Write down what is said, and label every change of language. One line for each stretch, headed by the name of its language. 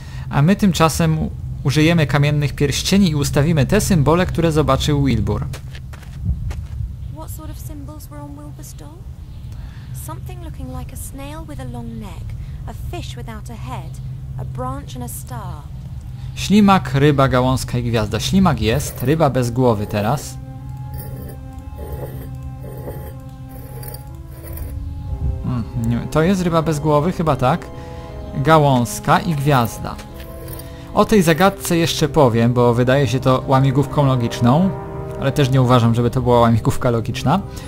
Polish: a my tymczasem użyjemy kamiennych pierścieni i ustawimy te symbole, które zobaczył Wilbur.
English: What sort of symbols were on Wilbur's doll? Something looking like a snail with a long neck, a fish without a head, a branch and a star.
Polish: Ślimak, ryba, gałązka i gwiazda. Ślimak jest, ryba bez głowy teraz. To jest ryba bez głowy, chyba tak. Gałązka i gwiazda. O tej zagadce jeszcze powiem, bo wydaje się to łamigłówką logiczną, ale też nie uważam, żeby to była łamigłówka logiczna.